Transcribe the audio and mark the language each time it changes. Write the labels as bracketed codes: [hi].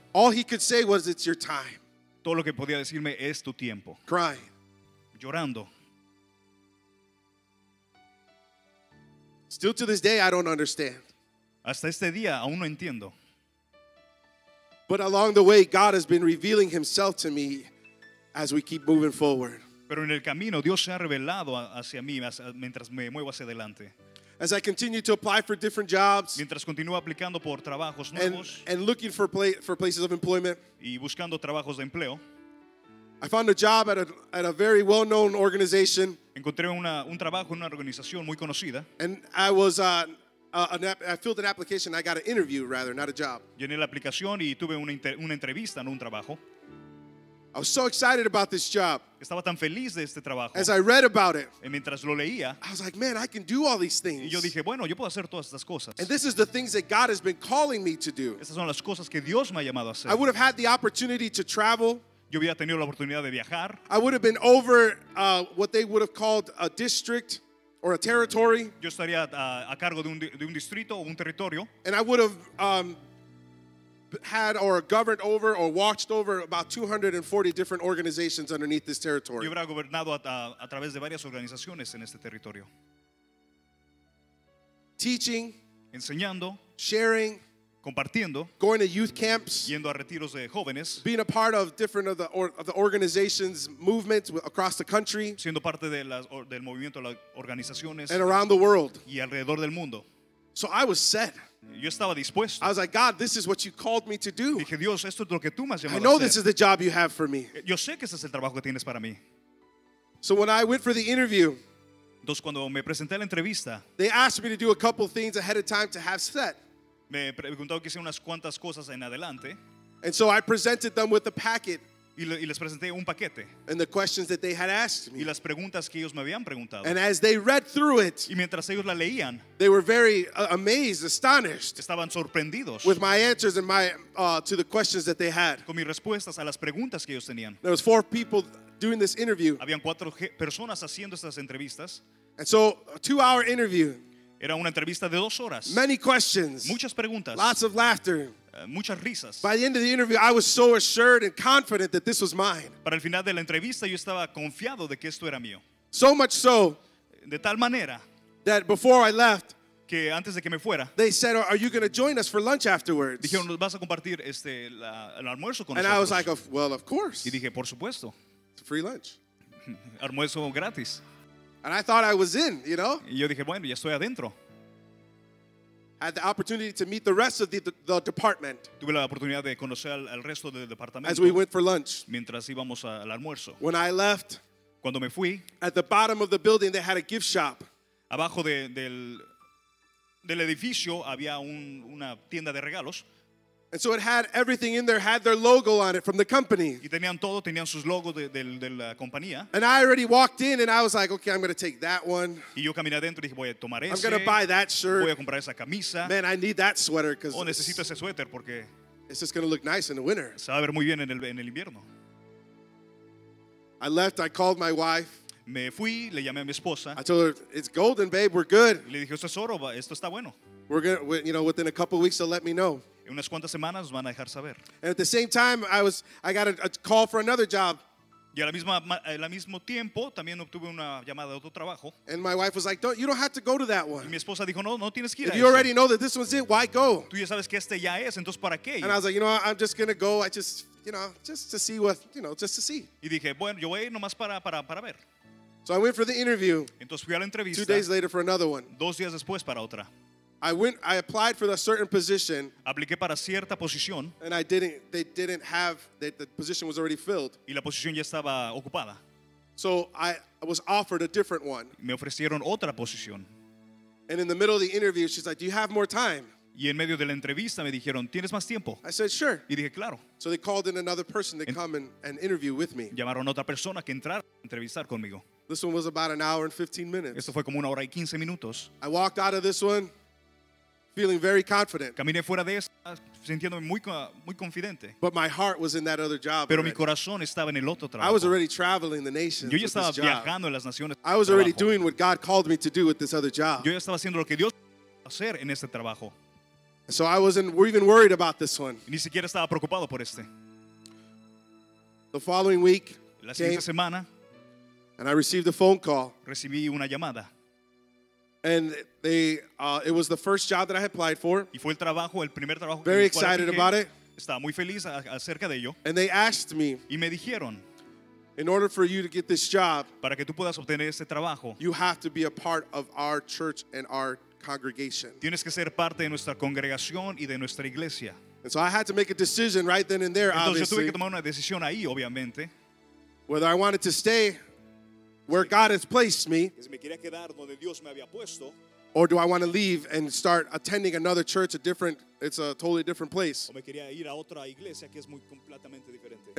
[en] All he could say was, "It's your time." [es] Todo lo que podía decirme es tu tiempo. [en] Crying. [es] Llorando. [en] Still to this day, I don't understand. [es] Hasta este día aún no entiendo. [en] But along the way, God has been revealing Himself to me as we keep moving forward. [es] Pero en el camino Dios se ha revelado hacia mí mientras me muevo hacia adelante. [en] As I continue to apply for different jobs, [es] mientras continúo aplicando por trabajos nuevos, [en] and looking for places of employment, [es] y buscando trabajos de empleo, [en] I found a job at a very well-known organization. [es] Encontré un trabajo en una organización muy conocida. [en] And I was I filled an application. I got an interview, rather, not a job. [es] Llené la aplicación y tuve una entrevista, no un trabajo. [en] I was so excited about this job. [es] Estaba tan feliz de este trabajo. [en] As I read about it, [es] y mientras lo leía, [en] I was like, man, I can do all these things. [es] Y yo dije, bueno, yo puedo hacer todas estas cosas. [en] And this is the things that God has been calling me to do. [es] Estas son las cosas que Dios me ha llamado a hacer. [en] I would have had the opportunity to travel. [es] Yo hubiera tenido la oportunidad de viajar. [en] I would have been over what they would have called a district or a territory. [es] Yo estaría a cargo de un distrito o un territorio. [en] And I would have had or governed over or watched over about 240 different organizations underneath this territory. [es] Yo habría gobernado a través de varias organizaciones en este territorio. [en] Teaching, [es] enseñando, [en] sharing, [es] compartiendo, [en] going to youth camps, [es] yendo a retiros de jóvenes, [en] being a part of different of the organizations movements across the country, [es] siendo parte del movimiento de las organizaciones, [en] and around the world, [es] y alrededor del mundo. [en] So I was set. [es] Yo estaba dispuesto. [en] I was like, God, this is what you called me to do. [es] Dije, Dios, esto es lo que tú me has llamado a hacer. [en] I know this is the job you have for me. [es] Yo sé que ese es el trabajo que tienes para mí. [en] So when I went for the interview, [es] entonces cuando me presenté a la entrevista, [en] they asked me to do a couple things ahead of time to have set. [es] Me preguntaron que hiciera unas cuantas cosas en adelante. [en] And so I presented them with a packet. [es] Y les presenté un paquete. [en] And the questions that they had asked me. [es] Y las preguntas que ellos me habían preguntado. [en] And as they read through it, [es] y mientras ellos la leían, [en] they were very amazed, astonished. [es] Estaban sorprendidos. [en] With my answers and my to the questions that they had. [es] Con mis respuestas a las preguntas que ellos tenían. [en] There was four people doing this interview. [es] Habían cuatro personas haciendo estas entrevistas. [en] And so, a two-hour interview. [es] Era una entrevista de dos horas. [en] Many questions. [es] Muchas preguntas. [en] Lots of laughter. [es] Muchas risas. [en] By the end of the interview, I was so assured and confident that this was mine. [es] Para el final de la entrevista, yo estaba confiado de que esto era mío. [en] So much so, [es] de tal manera, [en] that before I left, [es] que antes de que me fuera, [en] they said, "Are you going to join us for lunch afterwards?" [es] Dijeron, "¿Vas a compartir el almuerzo con [en] and And I was like, "Well, of course." [es] Y dije, "Por supuesto." [en] It's a free lunch. [es] Almuerzo gratis. [en] And I thought I was in, you know. [es] Y yo dije, bueno, ya estoy adentro. [en] Had the opportunity to meet the rest of the department. [es] Tuve la oportunidad de conocer al resto del departamento. [en] As we went for lunch. [es] Mientras íbamos al almuerzo. [en] When I left. [es] Cuando me fui. [en] At the bottom of the building, they had a gift shop. [es] Abajo del edificio había una tienda de regalos. [en] And so it had everything in there, had their logo on it from the company. [es] Y tenían todo, tenían sus logos de la compañía. [en] And I already walked in and I was like, okay, I'm going to take that one. [es] Y yo caminé adentro y dije, voy a tomar ese. [en] I'm going to buy that shirt. [es] Voy a comprar esa camisa. [en] Man, I need that sweater because [es] oh, necesito ese suéter porque [en] it's just going to look nice in the winter. [es] Se va a ver muy bien en el invierno. [en] I left, I called my wife. [es] Me fui, le llamé a mi esposa. [en] I told her, it's golden, babe, we're good. [es] Y le dije, esto es oro, esto está bueno. [en] We're going to, you know, within a couple of weeks, they'll let me know. [es] En unas cuantas semanas nos van a dejar saber. [en] And at the same time, I got a call for another job. [es] Y al mismo tiempo, también obtuve una llamada de otro trabajo. [en] And my wife was like, you don't have to go to that one. [es] Y mi esposa dijo, no, no tienes que ir a ese. [en] If you already know that this one's it, why go? [es] Tú ya sabes que este ya es, entonces ¿para qué? [en] And I was like, you know, I'm just going to go, I just, you know, just to see what, you know, just to see. [es] Y dije, bueno, yo voy nomás para ver. [en] So I went for the interview. [es] Entonces fui a la entrevista. [en] 2 days later for another one. [es] 2 días después para otra. [en] I applied for a certain position. [es] Apliqué para cierta posición. [en] And I didn't. They didn't have. The position was already filled. [es] Y la posición ya estaba ocupada. [en] So I was offered a different one. [es] Me ofrecieron otra posición. [en] And in the middle of the interview, she's like, "Do you have more time?" [es] Y en medio de la entrevista me dijeron, "¿Tienes más tiempo?" [en] I said, "Sure." [es] Y dije, "Claro." [en] So they called in another person to come and interview with me. [es] Llamaron a otra persona que entrara a entrevistar conmigo. [en] This one was about an hour and 15 minutes. [es] Esto fue como una hora y 15 minutos. [en] I walked out of this one feeling very confident. [es] Caminé fuera de esa sintiéndome muy muy confidente. [en] But my heart was in that other job. [es] Pero mi corazón estaba en el otro trabajo. [en] I was already traveling the nations. [es] Yo ya estaba viajando en las naciones. [en] I was already doing what God called me to do with this other job. [es] Yo ya estaba haciendo lo que Dios hacer en este trabajo. [en] So I wasn't even worried about this one. [es] Ni siquiera estaba preocupado por este. [en] The following week, [es] la siguiente semana, [en] and I received a phone call. [es] Recibí una llamada. [en] And it was the first job that I had applied for. [es] Y fue el trabajo, el primer trabajo. [en] Very excited about it. [es] Estaba muy feliz acerca de ello. [en] And they asked me. [es] Y me dijeron, [en] in order for you to get this job, [es] para que tú puedas obtener este trabajo, [en] you have to be a part of our church and our congregation. [es] Tienes que ser parte de nuestra congregación y de nuestra iglesia. [en] And so I had to make a decision right then and there. [es] Entonces [en] obviously, [es] tuve que tomar una decisión ahí, obviamente. [en] Whether I wanted to stay where God has placed me, [es] si me quería quedar donde Dios me había puesto, [en] or do I want to leave and start attending another church, it's a totally different place, [es] o me quería ir a otra iglesia que es muy completamente diferente,